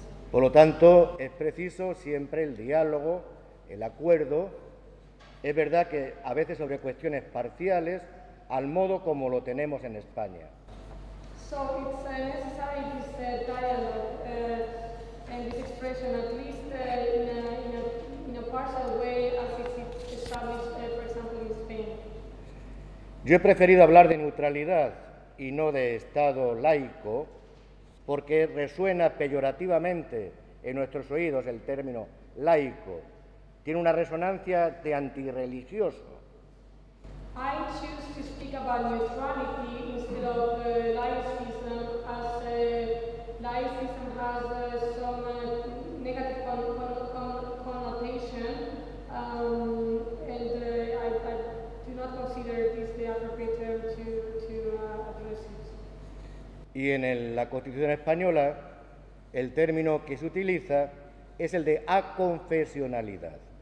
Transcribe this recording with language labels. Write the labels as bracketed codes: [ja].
[es] Por lo tanto, es preciso siempre el diálogo, el acuerdo. Es verdad que a veces sobre cuestiones parciales, al modo como lo tenemos en España. [en] So it's necessary this dialogue and this expression at least in a partial way as it's established, for example, in Spain. [es] Yo he preferido hablar de neutralidad y no de Estado laico, porque resuena peyorativamente en nuestros oídos el término laico. Tiene una resonancia de antirreligioso. [en] I choose to speak about neutrality instead of laicism, as laicism has some negative connotation, and I do not consider this the appropriate term to address it. [es] Y en la Constitución española, el término que se utiliza es el de aconfesionalidad.